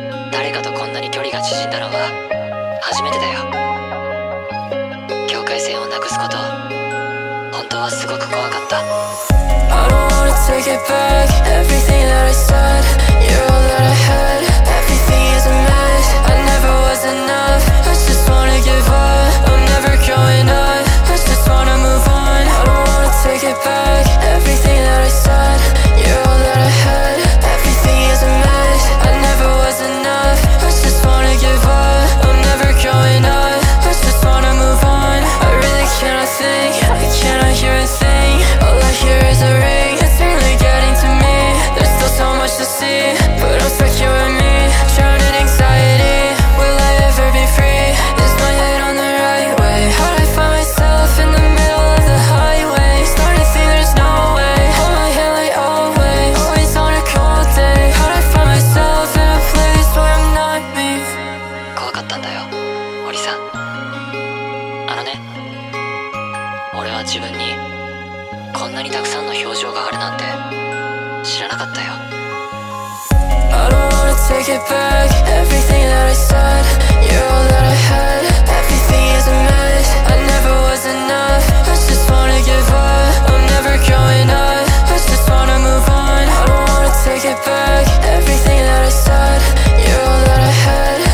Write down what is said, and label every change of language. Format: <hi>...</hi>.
<ja>誰かとこんなに距離が縮んだのは初めてだよ。境界線をなくすこと、本当はすごく怖かった。</ja> <en>I don't wanna take it back. Everything that I said, you're all that I had. Everything is a mess. I never was enough. I just wanna give up. I'm never going up. I just wanna move on. I don't wanna take it back. Everything that I said, you're all that I had. Everything is a mess. I never was enough. I just wanna give up. I'm never going up. I just wanna move on. I really cannot think. I cannot hear a thing. All I hear is a ring. It's really getting to me. There's still so much to see, but I'm stuck here with me. Drowning anxiety. Will I ever be free? Is my head on the right way? How'd I find myself in the middle of the highway? Starting to think there's no way. Hold my hand like always. Always on a cold day. How'd I find myself in a place where I'm not me?</en> <ja>怖かったんだよ、堀さん。あのね、俺は自分にこんなにたくさんの表情があるなんて知らなかったよ。</ja> <en>Take it back, everything that I said, you're all that I had. Everything is a mess, I never was enough. I just wanna give up, I'm never going up. I just wanna move on. I don't wanna take it back, everything that I said, you're all that I had.</en>